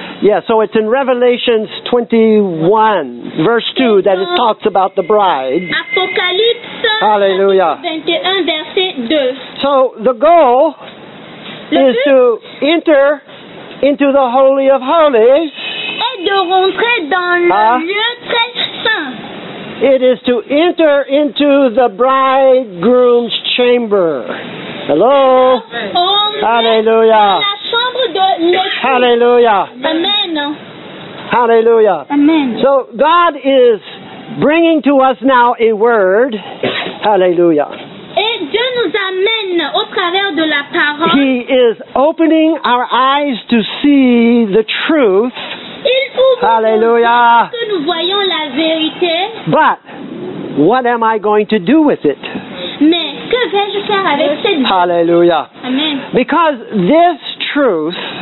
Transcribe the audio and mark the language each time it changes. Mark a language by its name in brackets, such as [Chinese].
[English] Yeah, so it's in Revelations 21, verse 2, that it talks about the bride. [French] Apocalypse. [English] Hallelujah. [French] 21, verset 2. [English] So the goal is to enter into the Holy of Holies. [French] Et de rentrer dans le lieu très saint. [English] It is to enter into the bridegroom's chamber. Hello. Hallelujah. Hallelujah. Amen. Hallelujah. Amen. So God is bringing to us now a word. Hallelujah. [French] Et Dieu nous amène au travers de la parole. [English] He is opening our eyes to see the truth. [French] Il ouvre [English] Hallelujah. [French] Que nous voyons la vérité. [English] But what am I going to do with it? [French] Mais que vais-je faire avec cette [English] Hallelujah. Amen. Because this truth